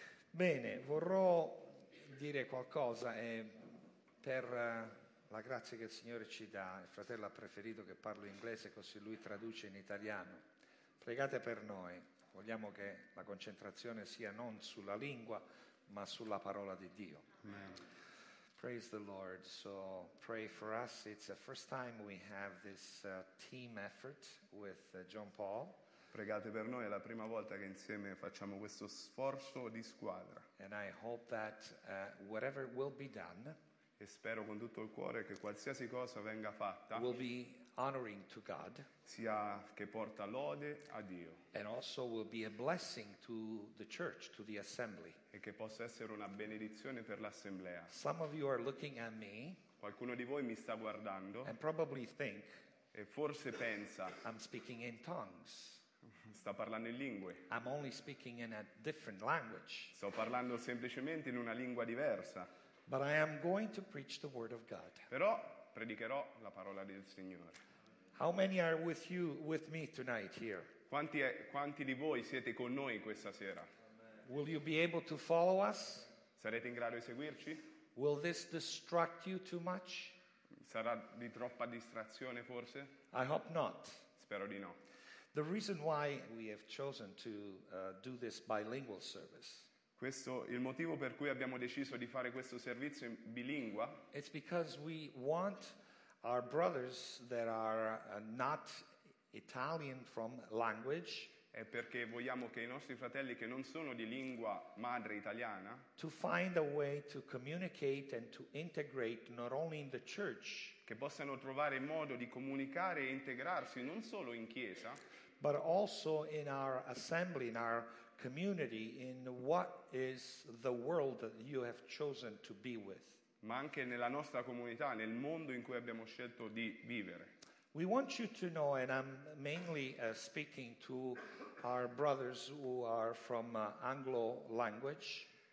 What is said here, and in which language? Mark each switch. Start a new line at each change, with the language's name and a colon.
Italian: Bene, vorrò dire qualcosa per la grazia che il Signore ci dà. Il fratello ha preferito che parlo inglese, così lui traduce in italiano. Pregate per noi, vogliamo che la concentrazione sia non sulla lingua, ma sulla parola di Dio. Amen.
English: Praise the Lord. So pray for us. It's the first time we have this team effort with John Paul.
Italian: Pregate per noi, è la prima volta che insieme facciamo questo sforzo di squadra.
English: And I hope that whatever will be done,
Italian: e spero con tutto il cuore che qualsiasi cosa venga fatta
English: will be honoring to God,
Italian: sia che porta lode a Dio,
English: and also will be a blessing to the church, to the assembly,
Italian: e che possa essere una benedizione per l'assemblea.
English: Some of you are looking at me,
Italian: qualcuno di voi mi sta guardando,
English: and probably think,
Italian: e forse pensa,
English: I'm speaking in tongues.
Italian: Sta parlando in lingue.
English: I'm only speaking in a different language.
Italian: Sto parlando semplicemente in una lingua diversa.
English: But I am going to preach the word of God.
Italian: Però predicherò la parola del Signore.
English: How many are with you, with me tonight here?
Italian: Quanti di voi siete con noi questa sera?
English: Will you be able to follow us?
Italian: Sarete in grado di seguirci?
English: Will this distract you too much?
Italian: Sarà di troppa distrazione forse?
English: I hope not.
Italian: Spero di no.
English: The reason why we have chosen to do this bilingual service.
Italian: Questo il motivo per cui abbiamo deciso di fare questo servizio in bilingua.
English: It's because we want our brothers that are not Italian from language.
Italian: È perché vogliamo che i nostri fratelli che non sono di lingua madre italiana
English: to find a way to communicate and to integrate not only in the church,
Italian: che possano trovare modo di comunicare e integrarsi non solo in chiesa,
English: but also in our assembly, in our community, in what is the world that you have chosen to be with,
Italian: ma anche nella nostra comunità, nel mondo in cui abbiamo scelto di vivere.
English: We want you to know, and I'm mainly speaking to our brothers who are from Anglo language.